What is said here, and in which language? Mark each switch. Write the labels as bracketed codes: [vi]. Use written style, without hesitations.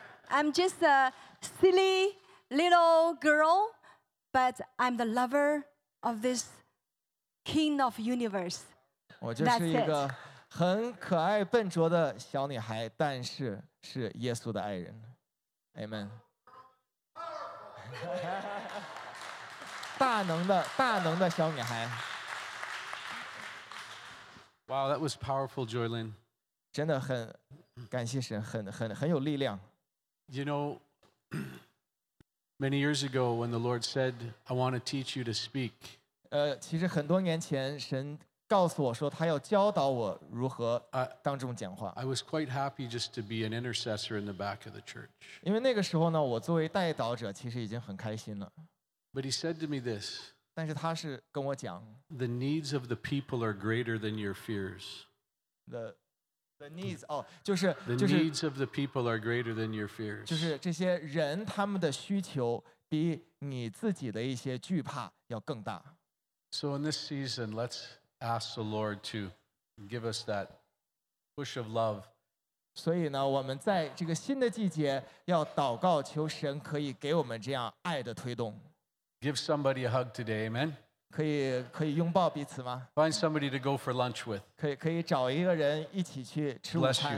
[en] I'm just a silly little girl, but I'm the lover of this King of Universe. [zh] 我就是一个很可爱笨拙的小女孩，但是是耶稣的爱人。 [en] Amen. [zh] 大能的小女孩。 [en] Wow, that was powerful, Joylin. [zh] 真的很感谢神，很有力量。 [en] You know, many years ago, when the Lord said, "I want to teach you to speak." [zh] 其实很多年前，神告诉我说他要教导我如何当众讲话。 [en] I was quite happy just to be an intercessor in the back of the church. [zh] 因为那个时候呢，我作为代祷者其实已经很开心了。 [en] But he said to me this. [zh] 但是他是跟我讲 [en] ，The needs of the people are greater than your fears. The needs of the people are greater than your fears. [zh] 就是这些人他们的需求比你自己的一些惧怕要更大。 [en] So in this season, let's ask the Lord to give us that push of love. [zh] 所以呢，我们在这个新的季节要祷告，求神可以给我们这样爱的推动。 [en] Give somebody a hug today, amen. [zh] 可以拥抱彼此吗 [en] ？Find somebody to go for lunch with. [zh] 可以找一个人一起去吃午餐。